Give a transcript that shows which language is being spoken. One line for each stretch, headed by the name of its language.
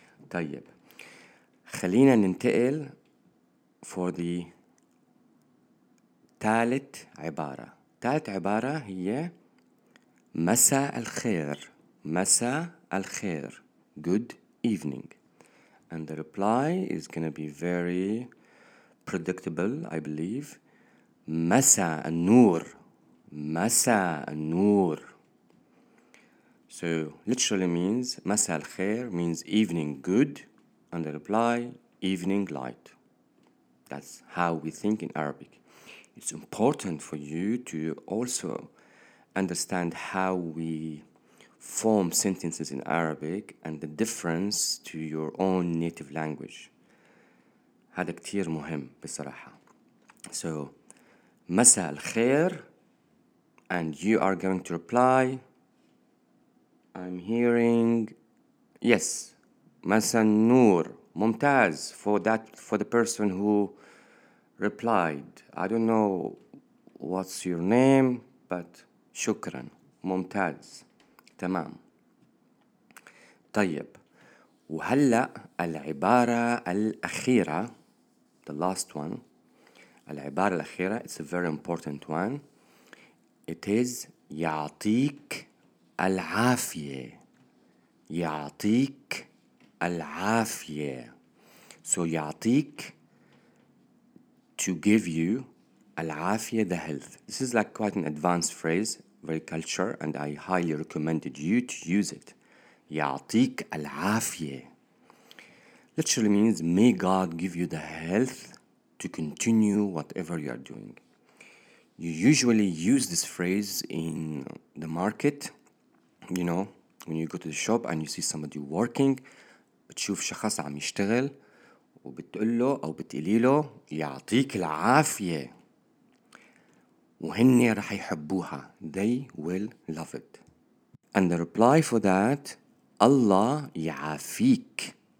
Arabic: طيب, خلينا ننتقل
English: for the
Arabic: تالت عبارة. تالت عبارة هي مساء الخير. مساء الخير.
English: Good evening. And the reply is gonna be very predictable, I believe.
Arabic: مساء النور. مساء النور.
English: So literally means مساء الخير means evening good, and the reply evening light. That's how we think in Arabic. It's important for you to also understand how we form sentences in Arabic and the difference to your own native language.
Arabic: هذا كتير مهم بصراحة.
English: So مساء الخير, and you are going to reply, I'm hearing, yes, مساء النور. ممتاز for that, for the person who replied. I don't know what's your name, but شكرا.
Arabic: ممتاز. تمام. طيب, وهلأ العبارة الأخيرة,
English: the last one.
Arabic: العبارة الأخيرة,
English: it's a very important one. It is يعطيك العافية.
Arabic: يعطيك العافية.
English: So يعطيك, to give you, العافية, the health. This is like quite an advanced phrase, very culture, and I highly recommended you to use it.
Arabic: يعطيك العافية.
English: Literally means, may God give you the health to continue whatever you are doing. You usually use this phrase in the market. You know, when you go to the shop and you see somebody working,
Arabic: بتشوف شخص عم يشتغل وبتقول له أو بتقلي له يعطيك العافية, وهني رح يحبوها.
English: They will love it. And the reply for that, Allah يعافيك.